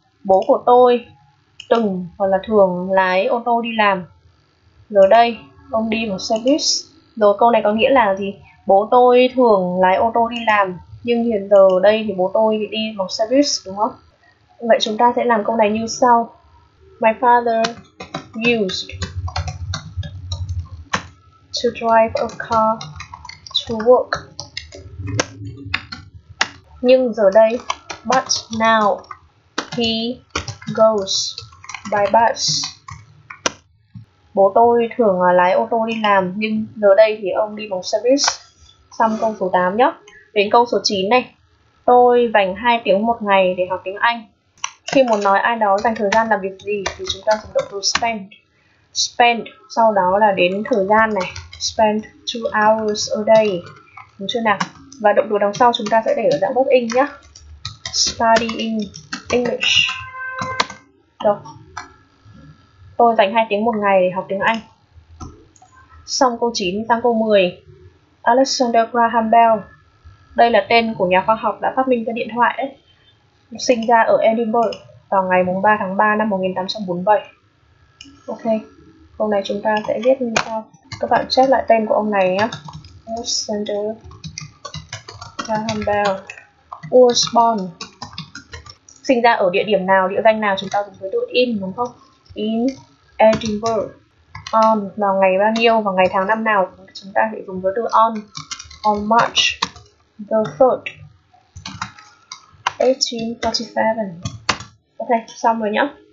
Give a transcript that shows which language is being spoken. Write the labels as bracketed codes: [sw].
[vi] Bố của tôi từng hoặc là thường lái ô tô đi làm. Giờ đây, ông đi một xe bus. Rồi câu này có nghĩa là gì? Bố tôi thường lái ô tô đi làm. Nhưng hiện giờ đây thì bố tôi đi một xe bus đúng không? Vậy chúng ta sẽ làm câu này như sau. [en] My father used to drive a car to work. [vi] Nhưng giờ đây, [en] but now he goes by bus. [vi] Bố tôi thường lái ô tô đi làm, nhưng giờ đây thì ông đi bằng xe bus. Xong câu số 8 nhé. Đến câu số 9 này. Tôi dành 2 tiếng một ngày để học tiếng Anh. Khi muốn nói ai đó dành thời gian làm việc gì thì chúng ta dùng động từ spend. Spend sau đó là đến thời gian này. [en] Spend 2 hours a day. [vi] Đúng chưa nào? Và động từ đằng sau chúng ta sẽ để ở dạng bốc in nhé. [en] Studying English. [vi] Được. Tôi dành 2 tiếng một ngày để học tiếng Anh. Xong câu 9 sang câu 10. Alexander Graham Bell. Đây là tên của nhà khoa học đã phát minh ra điện thoại ấy. Sinh ra ở Edinburgh vào ngày 3 tháng 3 năm 1847. Ok, câu này chúng ta sẽ viết như sau. Các bạn check lại tên của ông này nhé. [en] Alexander Graham Bell was born. [vi] Sinh ra ở địa điểm nào, địa danh nào chúng ta cũng phải đưa in đúng không? In Edinburgh on vào ngày bao nhiêu và ngày tháng năm nào chúng ta sẽ dùng với từ [en] on March the 3rd 1847. [vi] Ok, xong rồi nhá.